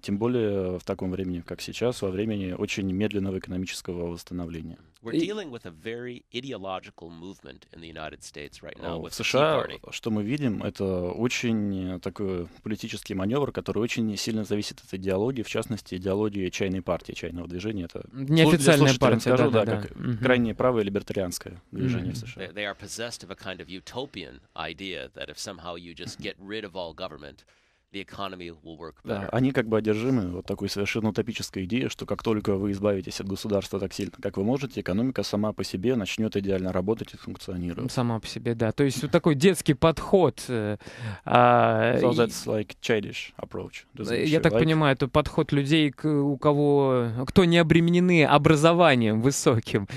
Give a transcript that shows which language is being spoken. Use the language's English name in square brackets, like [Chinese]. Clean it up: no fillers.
[Russian] Тем более в таком времени, как сейчас, во времени очень медленного экономического восстановления. [English] We're dealing with a very ideological movement in the United States right now with the Tea Party. [Russian] В США, что мы видим, это очень такой политический маневр, который очень сильно зависит от идеологии, в частности, идеологии чайной партии, чайного движения. Это неофициальная партия, да, как крайне правое либертарианское движение в США. [English] They are possessed of a kind of utopian idea that if somehow you just get rid of all government, the economy will work better. [Russian] Да, они как бы одержимы вот такой совершенно утопической идеей, что как только вы избавитесь от государства так сильно, как вы можете, экономика сама по себе начнет идеально работать и функционировать. Сама по себе, да. То есть вот такой детский подход. [English] So that's like childish approach. [Russian] Я так понимаю, это подход людей, кто не обременены образованием высоким.